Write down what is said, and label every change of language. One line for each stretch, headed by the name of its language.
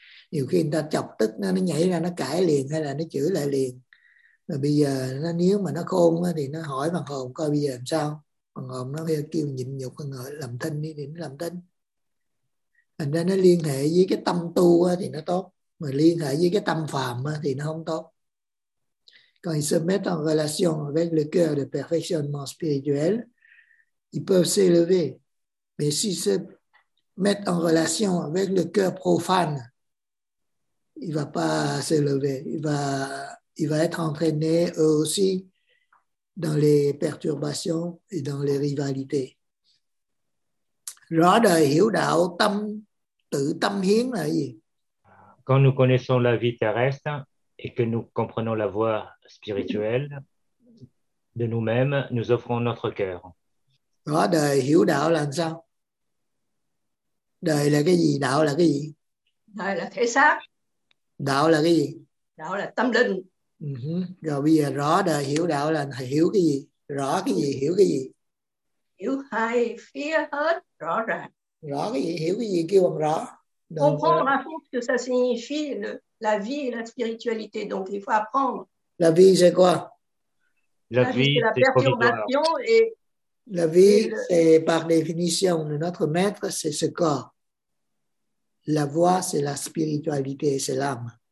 Vietnamese: Nhiều khi người ta chọc tức nó nhảy ra nó cãi liền hay là nó chửi lại liền. Rồi bây giờ nó, nếu mà nó khôn thì nó hỏi phần hồn coi bây giờ làm sao. Phần hồn nó kêu nhịn nhục, phần hồn làm thinh đi thì nó làm thinh. Thành ra nó liên hệ với cái tâm tu thì nó tốt, mà liên hệ với cái tâm phàm thì nó không tốt.
French: Quand ils se mettent en relation avec le cœur de perfectionnement spirituel, ils peuvent s'élever. Mais s'ils se mettent en relation avec le cœur profane, il ne va pas s'élever. Il va être entraîné eux aussi dans les perturbations et dans les rivalités.
Vietnamese: Rõ đời hiểu đạo, tâm tự tâm hiến là gì?
French: Quand nous connaissons la vie terrestre et que nous comprenons la voie spirituelle de nous-mêmes, nous offrons notre cœur.
Vietnamese: Rõ đời hiểu đạo là sao? Đời là cái gì? Đạo là cái gì? Đời là thể xác. Đạo là cái gì? Đạo là tâm linh. Uh-huh. Rồi bây giờ rõ đời hiểu đạo là hiểu cái gì, rõ cái gì, hiểu cái gì? Hiểu hai phía hết rõ ràng. Rõ cái gì, hiểu cái gì kêu bằng rõ.
French: Comprendre que ça signifie la vie et la spiritualité, donc il faut apprendre. La vie c'est quoi? La vie c'est la perturbation et la vie c'est par définition de notre maître c'est ce corps. La voie c'est la spiritualité, c'est l'âme.